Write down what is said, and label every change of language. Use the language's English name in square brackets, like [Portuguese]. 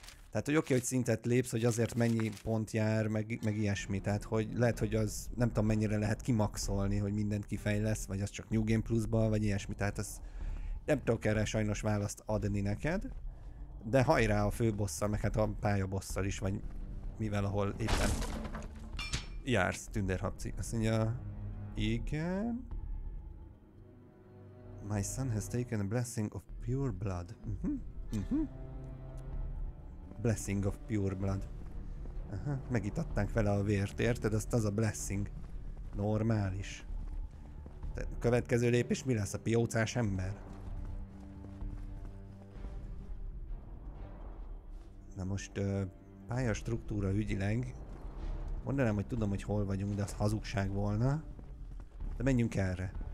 [Hungarian] Tehát, hogy oké, hogy szintet lépsz, hogy azért mennyi pont jár, meg ilyesmi, tehát, hogy lehet, hogy az nem tudom, mennyire lehet kimaxolni, hogy mindent kifejlesz, vagy az csak new game pluszba, vagy ilyesmi, tehát ez nem tudok erre sajnos választ adni neked. De hajrá a főbosszal, meg hát a pályabosszal is, vagy mivel, ahol éppen jársz, tündérhapci. Azt mondja, igen. [English] My son has taken a blessing of pure blood. Uh-huh. Blessing of pure blood. [Hungarian] Aha, megitatták vele a vért, érted? Azt az a blessing. Normális. Te következő lépés mi lesz, a piócás ember? Na most pályastruktúra ügyileg. Mondanám, hogy tudom, hogy hol vagyunk, de az hazugság volna. De menjünk erre.